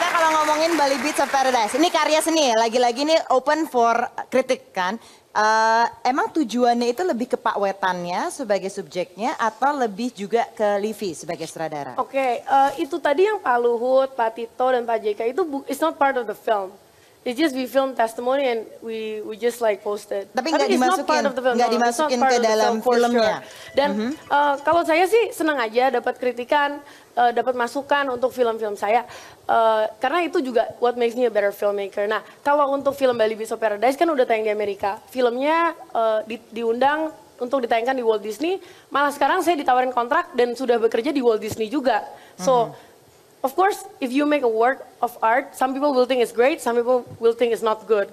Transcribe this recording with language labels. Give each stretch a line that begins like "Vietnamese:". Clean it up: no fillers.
Indonesian: Ngomongin Bali Beats of Paradise, ini karya seni, lagi-lagi ini
English: open for
Indonesian: kritik kan. Emang tujuannya itu lebih ke Pak Wetannya sebagai subjeknya atau lebih juga ke Livi sebagai sutradara? Oke, itu tadi yang Pak Luhut, Pak Tito, dan Pak JK itu
English: it's not part of the film. It's just we film testimony and we just like posted.
Indonesian: Tapi nggak dimasukin ke dalam filmnya.
English: Sure.
Indonesian: Dan kalau saya sih senang aja dapat kritikan, dapat masukan untuk film-film saya. Karena itu juga
English: what makes me a better filmmaker.
Indonesian: Nah, kalau untuk film Bali Beats of Paradise kan udah tayang di Amerika. Filmnya diundang untuk ditayangkan di Walt Disney. Malah sekarang saya ditawarin kontrak dan sudah bekerja di Walt Disney juga.
English: So, of course, if you make a work of art, some people will think it's great, some people will think it's not good.